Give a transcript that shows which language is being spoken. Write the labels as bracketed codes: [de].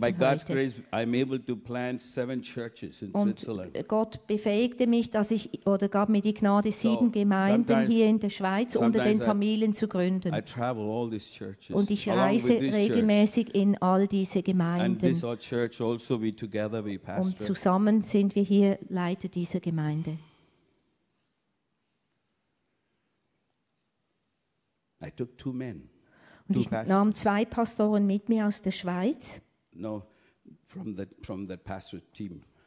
[en] By God's grace, I'm able to plant 7 churches in Switzerland. [de] Gott befähigte mich, dass ich oder gab mir die Gnade, 7 Gemeinden hier in der Schweiz unter den Tamilen zu gründen. [en] I travel all these churches. [de] Und ich reise regelmäßig in all diese Gemeinden. [en] And this church also we together we pastor. [de] Und zusammen sind wir hier Leiter dieser Gemeinde. [en] I took 2 men. [de] Und ich nahm 2 Pastoren mit mir aus der Schweiz. [en] No, from the pastor team.